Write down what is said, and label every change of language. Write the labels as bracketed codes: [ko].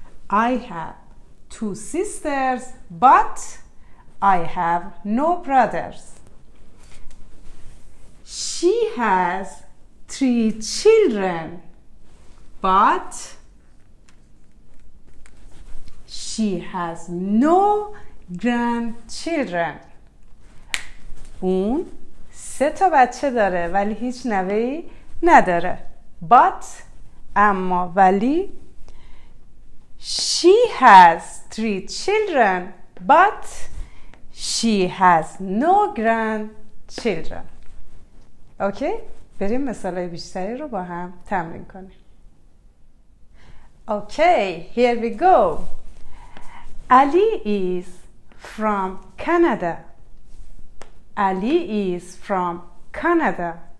[en] I have two sisters, but I have no brothers. She has three children, but she has no grandchildren. [fa] اون سه تا بچه داره ولی هیچ نوه‌ای نداره. [en] But [fa] اما ولی [en] she has three children, but she has no grandchildren. [fa] اوکی؟ بریم مثالای بیشتری رو با هم تمرین کنیم. اوکی، [en] here we go. Ali is from Canada. Ali is from Canada.